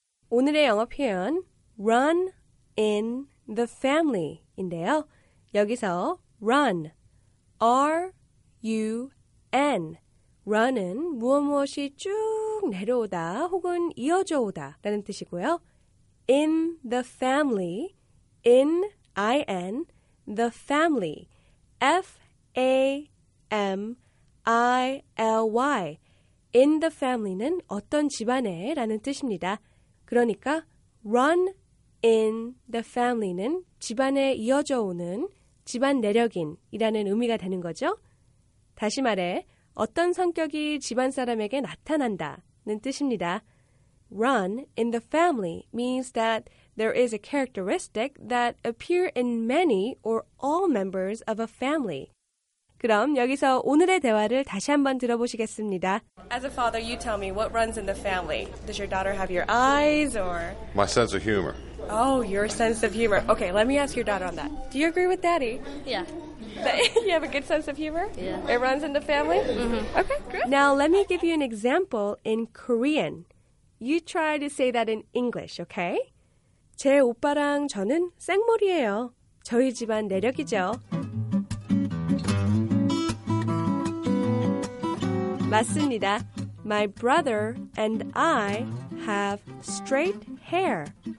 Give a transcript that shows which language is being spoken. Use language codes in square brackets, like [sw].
[ko] 오늘의 영어 표현 run in the family인데요. 여기서 run, R-U-N. run은 무엇무엇이 쭉 내려오다 혹은 이어져 오다 라는 뜻이고요. [en] in the family, in, I-N, the family, F-A-M-I-L-Y. [ko] In the family는 어떤 집안에 라는 뜻입니다. 그러니까 run in the family는 집안에 이어져 오는 집안 내력인 이라는 의미가 되는 거죠. 다시 말해 어떤 성격이 집안 사람에게 나타난다는 뜻입니다. [en] Run in the family means that there is a characteristic that appear in many or all members of a family. [ko] 그럼 여기서 오늘의 대화를 다시 한번 들어보시겠습니다. [en] As a father, you tell me what runs in the family. Does your daughter have your eyes or... My sense of humor. Oh, your sense of humor. Okay, let me ask your daughter on that. Do you agree with daddy? Yeah. That you have a good sense of humor? Yeah. It runs in the family? Mm-hmm. Okay, good. Now, let me give you an example in Korean. You try to say that in English, okay? [ko] 제 오빠랑 저는 생머리예요. 저희 집안 내력이죠. 맞습니다. [en] My brother and I have straight hair.